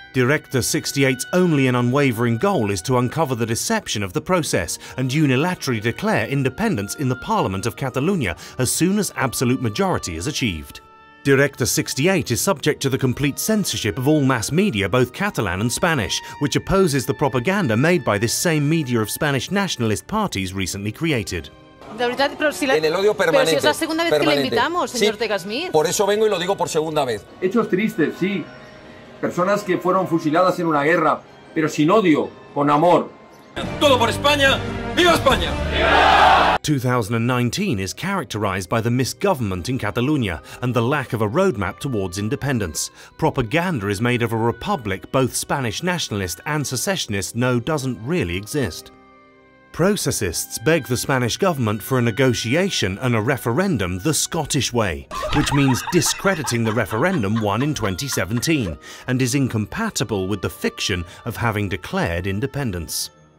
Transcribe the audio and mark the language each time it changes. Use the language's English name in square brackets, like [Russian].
[English] Directa 68's only and unwavering goal is to uncover the deception of the process and unilaterally declare independence in the Parliament of Catalunya as soon as absolute majority is achieved. Directa 68 is subject to the complete censorship of all mass media, both Catalan and Spanish, which opposes the propaganda made by this same media of Spanish nationalist parties recently created. [Spanish] De verdad, pero si la... En el odio permanente. Pero si es la segunda vez permanente. Que le invitamos, señor Tegasmith. Sí, por eso vengo y lo digo por segunda vez. Hechos tristes, sí. Personas que fueron fusiladas en una guerra, pero sin odio, con amor. Todo por España. ¡Viva España! ¡Viva! [English] 2019 is characterized by the misgovernment in Catalonia and the lack of a roadmap towards independence. Propaganda is made of a republic both Spanish nationalists and secessionists know doesn't really exist. Processists beg the Spanish government for a negotiation and a referendum the Scottish way, which means discrediting the referendum won in 2017 and is incompatible with the fiction of having declared independence.